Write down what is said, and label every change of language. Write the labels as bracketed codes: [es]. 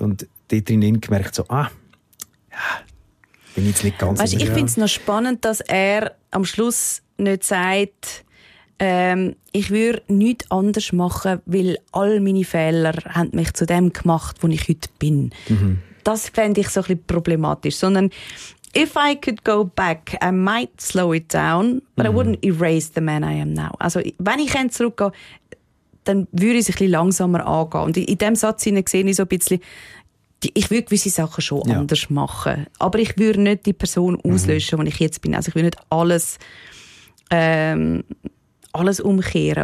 [de] Und dort drin gemerkt, so, bin ich jetzt nicht ganz sicher. Ich finde es noch spannend, dass er am Schluss nicht sagt, ich würde nichts anders machen, weil all meine Fehler haben mich zu dem gemacht, wo ich heute bin. Das fände ich so ein bisschen problematisch. [en] Sondern, if I could go back, I might slow it down, but I wouldn't erase the man I am now. [de] Also, wenn ich zurückgehe, dann würde ich es ein bisschen langsamer angehen. Und in dem Satz sehe ich so ein bisschen, ich würde gewisse Sachen schon anders machen. Aber ich würde nicht die Person auslöschen, die ich jetzt bin. Also ich würde nicht alles umkehren.